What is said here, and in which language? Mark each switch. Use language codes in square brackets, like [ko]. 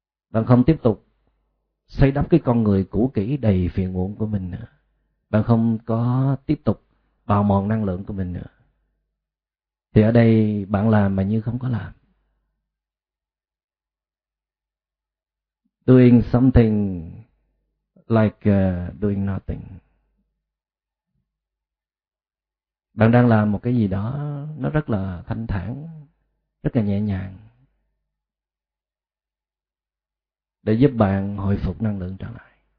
[vi] Bạn không tiếp tục xây đắp cái con người cũ kỹ đầy phiền muộn của mình nữa. Bạn không có tiếp tục bào mòn năng lượng của mình nữa. Thì ở đây bạn làm mà như không có làm. [en] doing something like doing nothing. [vi] Bạn đang làm một cái gì đó nó rất là thanh thản, rất là nhẹ nhàng để giúp bạn hồi phục năng lượng trở lại.